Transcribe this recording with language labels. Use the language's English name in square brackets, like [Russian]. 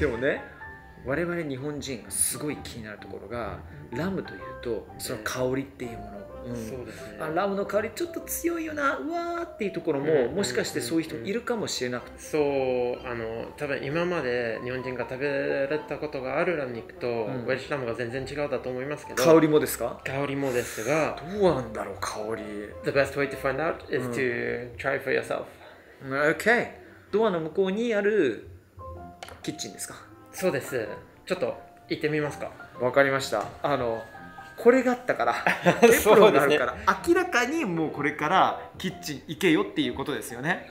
[Japanese] でもね、我々日本人がすごい気になるところが、ラムというとその香りっていうもの、ね、うん、そうですね、あラムの香りちょっと強いよな、うわーっていうところも、うん、もしかしてそういう人もいるかもしれなくて、うんうそう、あの多分今まで日本人が食べられたことがあるラム肉と、うん、ウェルシュラムが全然違うだと思いますけど、香りもですか。香りもですが、どうなんだろう香り。 [English] The best way to find out is to try for yourself、 [Japanese] うん、OK。ドアの向こうにあるキッチンですか。そうです。ちょっと行ってみますか。わかりました。あのこれがあったからエプロンがあるから、ね、明らかにもうこれからキッチン行けよっていうことですよね。